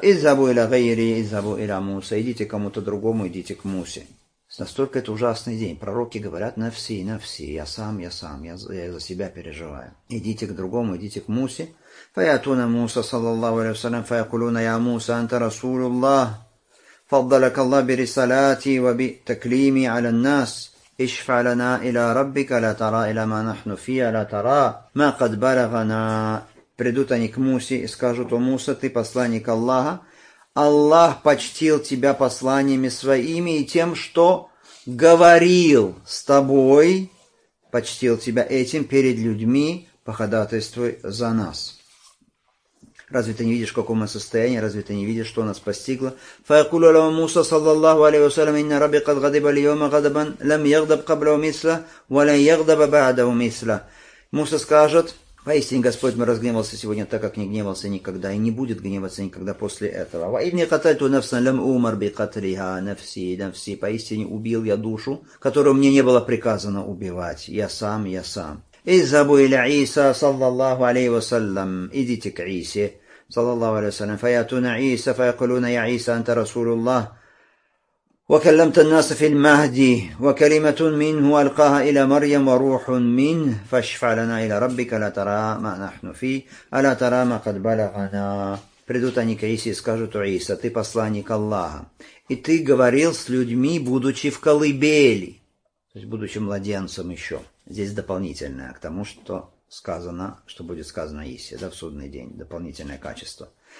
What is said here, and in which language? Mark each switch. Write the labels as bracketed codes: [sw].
[ar] «Иззабу иля гайри, иззабу иля Муса». [ru] «Идите кому-то другому, идите к Мусе». Настолько это ужасный день. Пророки говорят: [ar] «Навси, навси, [ru] я сам, я сам, я за себя переживаю». «Идите к другому, идите к Мусе». [ar] «Фаятуна Муса, саллаллаху алейхи ва саллям, фаякулуна я Муса, анта расулуллах». فضلك الله برسالاتي وبتكليمي على الناس اشفع لنا الى ربك لا ترى الى ما نحن فيه لا ترى ما قد بلغنا. [ru] Придут они к Мусе и скажут: «О Муса, ты посланник Аллаха, Аллах почтил тебя посланиями своими и тем, что говорил с тобой, почтил тебя этим перед людьми, походатайствуй за нас. Разве ты не видишь, в каком мы состоянии? Разве ты не видишь, что нас постигло?» [ar] فَيَقُولُ لَهُ مُوسَى صَلَّى اللَّهُ عَلَيْهِ وَسَلَّمَ إِنَّ رَبِّي قَدْ غَضِبَ الْيَوْمَ غَضَبًا لَمْ يَغْضَبْ قَبْلَهُ مِثْلُهُ وَلَنْ يَغْضَبَ بَعْدَهُ مِثْلُهُ. [ru] Муса скажет: «Поистине Господь мой разгневался сегодня так, как не гневался никогда, и не будет гневаться никогда после этого». [ar] وَإِنِّي قَتَلْتُ نَفْسًا لَمْ أُمَرْ بِقَتْلِهَا. نَفْسِي, نَفْسِي. [ru] Поистине убил я душу, которую мне не было приказано убивать. Я сам, я сам. [ar] اذهبوا الى عيسى صلى الله عليه وسلم. [ru] Идите к Иисе [ar] صلى الله عليه وسلم. فياتون عيسى فيقولون يا عيسى انت رسول الله وكلمت الناس في المهدي وكلمة منه القاها الى مريم وروح منه فاشفع لنا الى ربك لا ترى ما نحن فيه الا ترى ما قد بلغنا. [ru] Придут они к Иисе и скажут: «О Иисе, ты посланник Аллаха, и ты говорил с людьми, будучи в колыбели», то есть будучи младенцем еще. Здесь дополнительное к тому, что сказано, что будет сказано Иисе, да, в судный день, дополнительное качество.